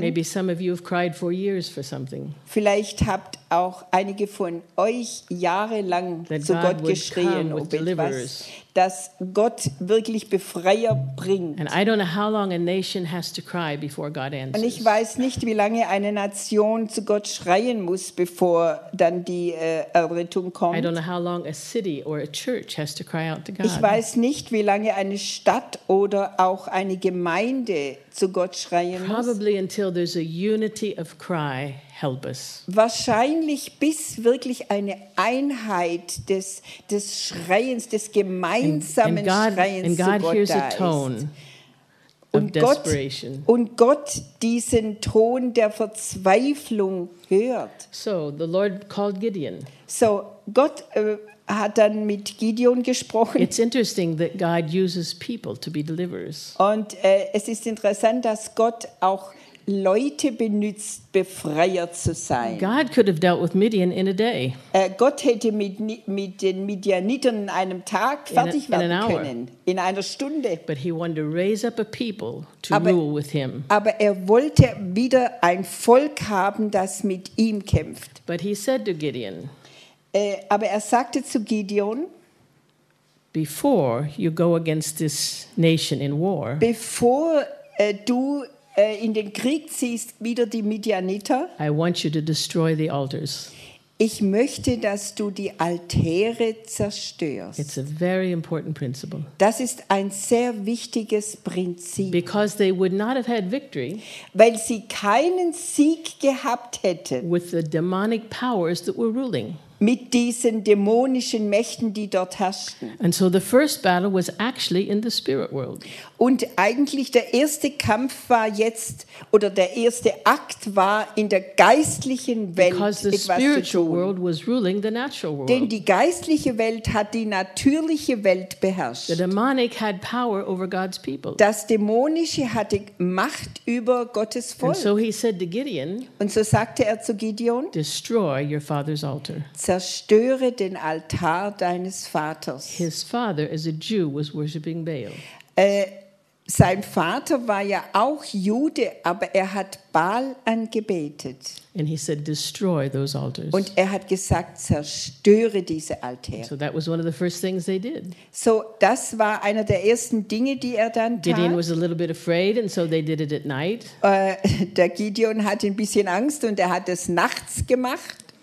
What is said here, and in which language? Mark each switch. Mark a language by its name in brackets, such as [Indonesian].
[English] Maybe some of you have cried for years for something. [German] Vielleicht habt auch einige von euch jahrelang [English] that [German] zu [English] God [German] Gott geschrien, ob etwas, dass Gott wirklich Befreier bringt. [English] And I don't know how long a nation has to cry before God answers. [German] Und ich weiß nicht, wie lange eine Nation zu Gott schreien muss, bevor dann die Errettung kommt. [English] I don't know how long a city or a church has to cry out to God. [German] Ich weiß nicht, wie lange eine Stadt oder auch eine Gemeinde zu Gott schreien muss. [English] Probably until there's a unity of cry, help us. [German] Wahrscheinlich bis wirklich eine Einheit des Schreiens, des gemeinsamen Schreiens [English] and God [German] zu Gott [English] hears [German] da [English] a tone [German] ist. Und [English] of desperation. [German] Gott diesen Ton der Verzweiflung hört. [English] So, the Lord called Gideon. [German] So, Gott hat dann mit Gideon gesprochen. [English] It's interesting that God uses people to be deliverers. [German] Und es ist interessant, dass Gott auch Leute benutzt, Befreier zu sein. [English] God could have dealt with Midian in a day. [German] Gott hätte mit den Midianitern in einem Tag fertig werden können, in einer Stunde. [English] But he wanted to raise up a people to rule with him. [German] Aber er wollte wieder ein Volk haben, das mit ihm kämpft. [English] But he said to Gideon, [German] aber er sagte zu Gideon, [English] before you go against this nation in war, [German] bevor du in den Krieg ziehst, wieder die Midianiter, [English] I want you to destroy the altars. [German] Ich möchte, dass du die Altäre zerstörst. [English] It's a very important principle. [German] Das ist ein sehr wichtiges Prinzip. [English] Because they would not have had victory, [German] weil sie keinen Sieg gehabt hätten, [English] with the demonic powers that were ruling. [German] Mit diesen dämonischen Mächten, die dort herrschten. [English] And so the first battle was actually in the spirit world. [German] Und eigentlich der erste Kampf war jetzt, oder der erste Akt war in der geistlichen Welt etwas zu tun. [English] Because the spiritual world was ruling the natural world. [German] Denn die geistliche Welt hat die natürliche Welt beherrscht. [English] The demonic had power over God's people. [German] Das Dämonische hatte Macht über Gottes Volk. [English] And so he said to Gideon, [German] und so sagte er zu Gideon, [English] destroy your father's altar. [German] Zerstöre den Altar deines Vaters. [English] His father, as a Jew, was worshiping Baal. [German] Sein Vater war ja auch Jude, aber er hat Baal angebetet. [English] And he said, destroy those altars. [German] Und er hat gesagt, zerstöre diese Altäre. [English] So that was one of the first things they did. [German] So das war einer der ersten Dinge, die er dann tat. [English] Gideon was a little bit afraid, and so they did it at night. [German] Der Gideon hatte ein bisschen Angst und er hat es nachts gemacht.